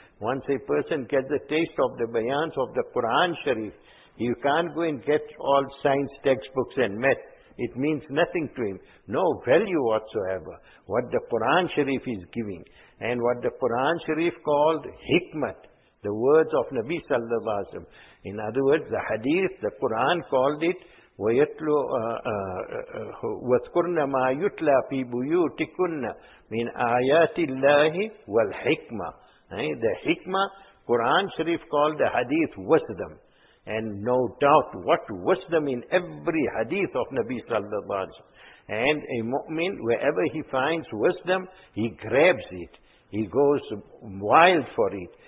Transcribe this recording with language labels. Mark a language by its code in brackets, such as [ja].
[en] Once a person gets a taste of the bayans of the Quran Sharif, he can't go and get all science textbooks and math. It means nothing to him. No value whatsoever. What the Quran Sharif is giving. And what the Quran Sharif called hikmat. The words of Nabi sallallahu alaihi wasallam. In other words, the hadith, the Quran called it, [ar] وَيَتْلُوا وَذْكُرْنَ مَا يُتْلَى فِي بُيُوتِكُنَّ مِنْ آيَاتِ اللَّهِ وَالْحِكْمَةِ. [en] The hikmah, Quran Sharif called the hadith wisdom. And no doubt, what wisdom in every hadith of Nabi sallallahu alaihi wasallam. And a mu'min, wherever he finds wisdom, he grabs it. He goes wild for it.